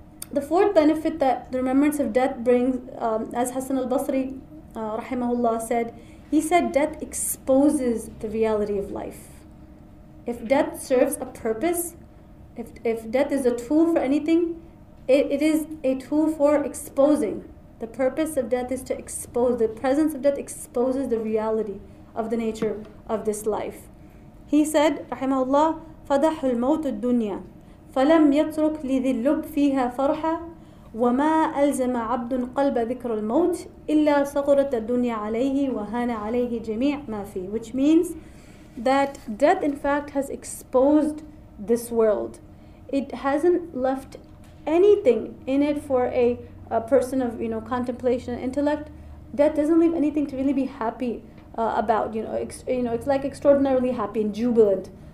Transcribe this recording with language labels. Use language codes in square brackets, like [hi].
[en] The fourth benefit that the remembrance of death brings, as Hassan al-Basri, rahimahullah, said, he said death exposes the reality of life. If death serves a purpose, if death is a tool for anything, it is a tool for exposing. The purpose of death is to expose. The presence of death exposes the reality of the nature of this life. He said, rahimahullah, [ar] فَدَحُ الْمَوْتُ الدُّنْيَا فَلَمْ يَتْرُكْ لِذِي اللُّبْ فِيهَا فَرْحَةً وَمَا أَلْزَمَ عَبْدٌ قَلْبَ ذِكْرُ الْمَوْتِ إِلَّا صَغُرَتَ الدُّنْيَا عَلَيْهِ وَهَانَ عَلَيْهِ جَمِيعْ مَا فِيهِ. [en] Which means that death in fact has exposed this world. It hasn't left anything in it for a person of, you know, contemplation and intellect. Death doesn't leave anything to really be happy about. You know, it's like extraordinarily happy and jubilant.